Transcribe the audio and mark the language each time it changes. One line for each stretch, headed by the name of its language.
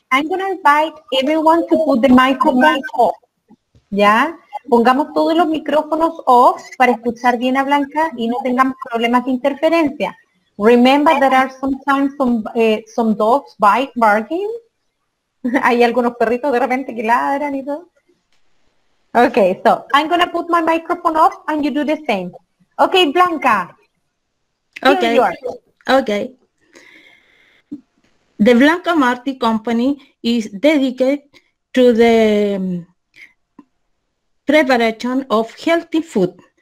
English: I'm going to invite everyone to put the microphone off.
Spanish: ¿Ya? Pongamos todos los micrófonos off para escuchar bien a Blanca y no tengamos problemas de interferencia.
English: Remember that there are sometimes some dogs bite barking.
Spanish: Hay algunos perritos de repente que ladran y todo.
English: Okay, so I'm going to put my microphone off and you do the same. Okay, Blanca. Okay. Okay. The Blanca Marti Company is dedicated to the preparation of healthy food.